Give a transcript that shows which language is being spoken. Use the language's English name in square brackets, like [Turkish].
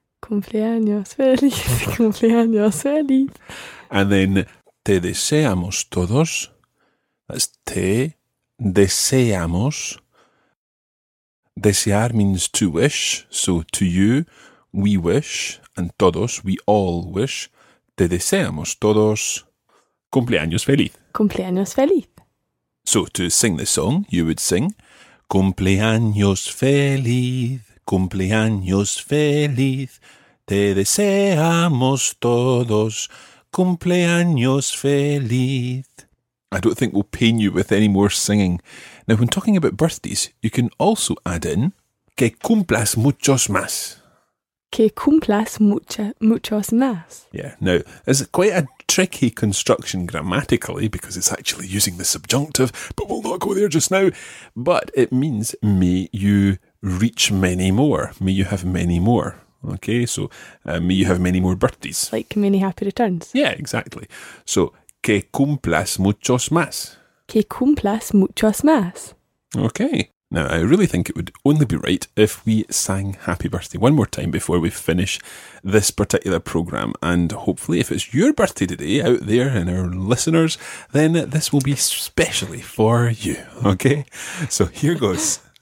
[Spanish] Cumpleaños feliz. Cumpleaños feliz. [English] And then [Spanish] te deseamos todos. [English] That's [Spanish] te deseamos. [English] Desear means to wish. So to you, we wish, and todos, we all wish. [Spanish] Te deseamos todos cumpleaños feliz. Cumpleaños feliz. [English] So to sing the song, you would sing [Spanish] cumpleaños feliz, cumpleaños feliz. Te deseamos todos cumpleaños feliz. [English] I don't think we'll pain you with any more singing. Now, when talking about birthdays, you can also add in [Spanish] que cumplas muchos más. Que cumplas muchos más. [English] Yeah. Now, it's quite a tricky construction grammatically because it's actually using the subjunctive, but we'll not go there just now. But it means may you reach many more. May you have many more. Okay. So, may you have many more birthdays. Like many happy returns. Yeah, exactly. [Spanish] So, que cumplas muchos más. Que cumplas muchos más. [English] Okay. Now, I really think it would only be right if we sang happy birthday one more time before we finish this particular programme. And hopefully, if it's your birthday today out there and our listeners, then this will be specially for you. Okay? So here goes.